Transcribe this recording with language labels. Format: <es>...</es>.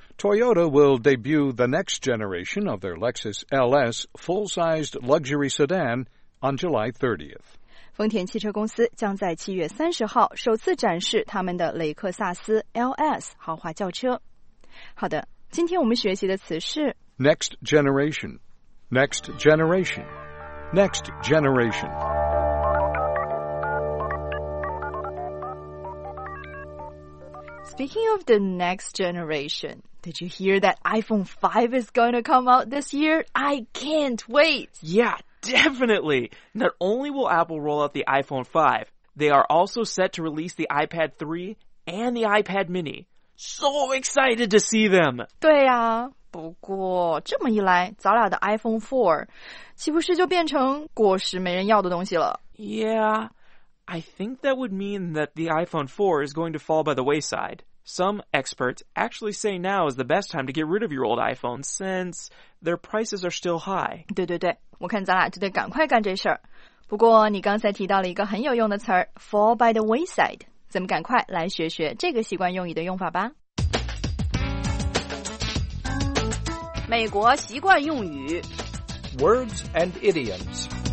<en>Toyota will debut the next generation of their Lexus LS full-sized luxury sedan on July 30th.</en> <zh>丰田汽车公司将在7月30号首次展示他们的雷克萨斯 LS 豪华轿车。好的，今天我们学习的词是</zh> <en>Next generation, next generation, next generation. Speaking of the next generation, did you hear that iPhone 5 is going to come out this year? I can't wait! Yeah, definitely! Not only will Apple roll out the iPhone 5, they are also set to release the iPad 3 and the iPad mini. So excited to see them!</en> <zh>对啊，不过这么一来，咱俩的 iPhone 4岂不是就变成果实没人要的东西了？</zh> <en>Yeah... I think that would mean that the iPhone 4 is going to fall by the wayside. Some experts actually say now is the best time to get rid of your old iPhone since their prices are still high.</en> <zh>对对对，我看咱俩就得赶快干这事儿。不过你刚才提到了一个很有用的词儿</zh> <en>fall by the wayside.</en> <zh>咱们赶快来学学这个习惯用语的用法吧。美国习惯用语</zh> <en>Words and idioms.</en>